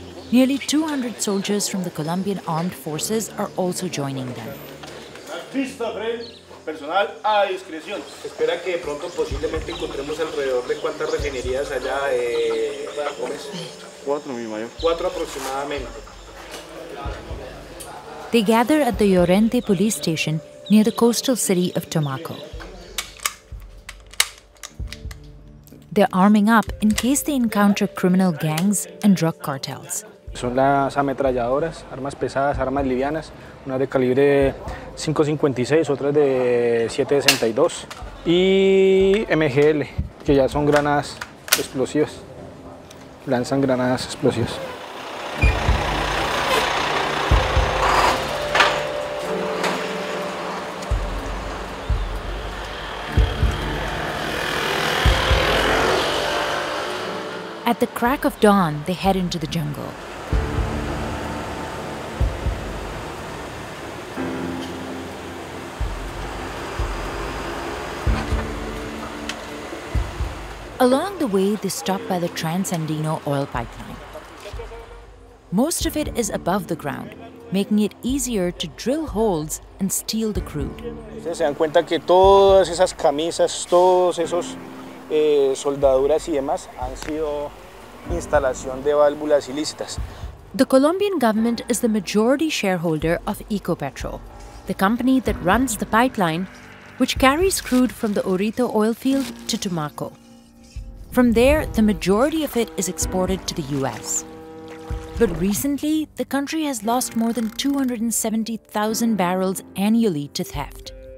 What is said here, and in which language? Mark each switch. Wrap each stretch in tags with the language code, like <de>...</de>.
<en>Nearly 200 soldiers from the Colombian armed forces are also joining them.</en> <es>Personal a discreción. Espera que pronto posiblemente encontremos alrededor de cuántas refinerías allá de Gómez. Cuatro, mi mayor. Cuatro aproximadamente.</es> <en>They gather at the Llorente police station near the coastal city of Tumaco. They're arming up in case they encounter criminal gangs and drug cartels.</en> <es>Son las ametralladoras, armas pesadas, armas livianas, unas de calibre 5.56, otras de 7.62 y MGL, que ya son granadas explosivas, lanzan granadas explosivas.</es> <en>At the crack of dawn, they head into the jungle. Along the way, they stop by the Transandino oil pipeline. Most of it is above the ground, making it easier to drill holes and steal the crude.</en> <es>Ustedes se dan cuenta que todas esas camisas, todos esos soldaduras y demás han sido instalación de válvulas ilícitas.</es> <en>The Colombian government is the majority shareholder of Ecopetrol, the company that runs the pipeline, which carries crude from the Orito oil field to Tumaco. From there, the majority of it is exported to the U.S. But recently, the country has lost more than 270,000 barrels annually to theft.</en>